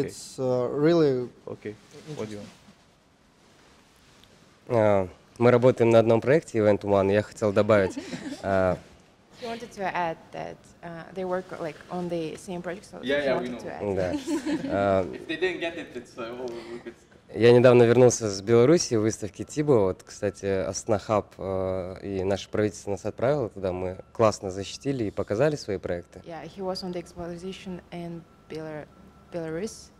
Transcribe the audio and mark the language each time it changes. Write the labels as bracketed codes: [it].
[en] It's really okay. What do you want? [ru] Мы работаем на одном проекте Event One. Я хотел добавить. [en] You wanted to add that they work like on the same project. So yeah, we know. [ru] Да. [en] If they didn't get it, it's good. [ru] Я недавно вернулся с Беларуси в выставке ТИБО. Вот, кстати, Astana Hub и наше правительство нас отправило туда. Мы классно защитили и показали свои проекты. [en] Yeah, he was on the exposition in Belarus.